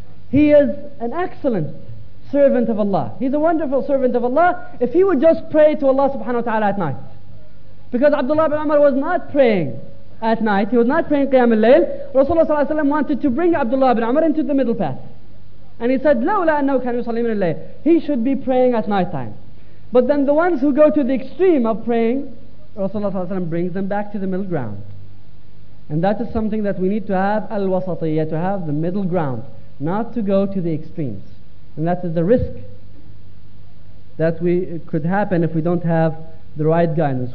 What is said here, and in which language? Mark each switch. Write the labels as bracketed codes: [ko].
[en] He is an excellent servant of Allah. He's a wonderful servant of Allah if he would just pray to Allah subhanahu wa ta'ala at night. Because Abdullah ibn Umar was not praying at night. He was not praying Qiyam al-Layl. Rasulullah ﷺ wanted to bring Abdullah ibn Umar into the middle path. And he said, [ar] لَوْلَا أَنَّهُ كَانُ يُصَلِّي مِنَ اللَّيْلِ. [en] He should be praying at night time. But then the ones who go to the extreme of praying, Rasulullah ﷺ brings them back to the middle ground. And that is something that we need to have, الْوَسَطِيَّة, to have the middle ground. Not to go to the extremes. And that is the risk that we could happen if we don't have the right guidance.